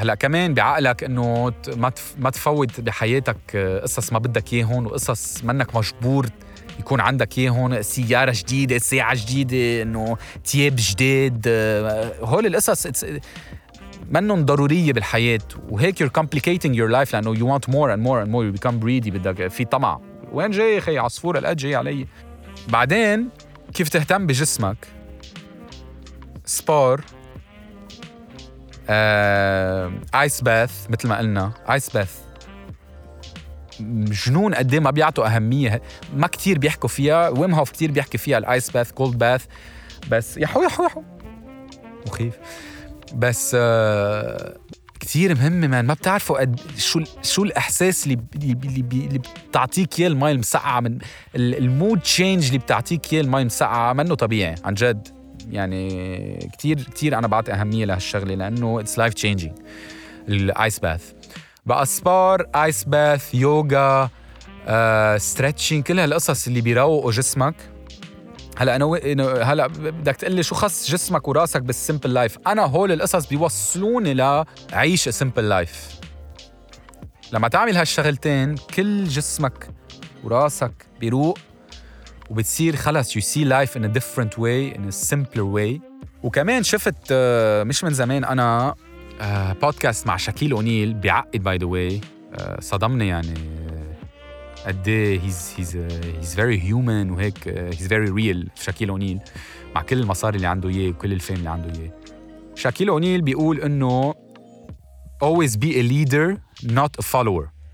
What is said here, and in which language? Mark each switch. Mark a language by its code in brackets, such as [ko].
[ar] هلأ كمان بعقلك إنه ما تفوت بحياتك قصص ما بدك إياهون، وقصص منك مجبور يكون عندك إياهون، سيارة جديدة، ساعة جديدة، إنه تياب جديد، هول القصص منهم ضرورية بالحياة. [en] وهيك you're complicating your life لأنه you want more and more and more، you become greedy، [ar] بدك في طمع. وين جاي خي عصفورة الأد جاي علي؟ بعدين كيف تهتم بجسمك؟ سبور، آيس باث، مثل ما قلنا آيس باث جنون قدي ما بيعطوا أهمية، ما كتير بيحكوا فيها. ويم هوف كتير بيحكي فيها الآيس باث كولد باث، بس يحو مخيف. بس كتير مهم مان، ما بتعرفوا شو الإحساس اللي بتعطيك يا الماء المسقعة، من المود تشينج اللي بتعطيك يا الماء المسقعة، منه طبيعي عن جد يعني. كتير كتير أنا بعطي أهمية لهالشغلة لأنه [en] it's life changing. [ar] الآيس باث بقى، سبار، آيس باث، يوغا، ستريتشين، كل هالقصص اللي بيروقوا جسمك. هلأ أنا هلأ بدك تقلي شو خص جسمك وراسك بالسيمبل لايف؟ أنا هول القصص بيوصلوني لعيش سيمبل لايف. لما تعمل هالشغلتين كل جسمك وراسك بيروق، وبتصير خلاص [en] you see life in a different way in a simpler way. [ar] وكمان شفت مش من زمان أنا بودكاست مع شاكيل أونيل، بيعقد by the way، صدمني يعني قدي [en] he's very human [ar] وهيك، [en] he's very real. [ar] شاكيل أونيل مع كل المصاري اللي عنده إياه وكل الفيم اللي عنده إياه، شاكيل أونيل بيقول إنه [en] always be a leader not a follower.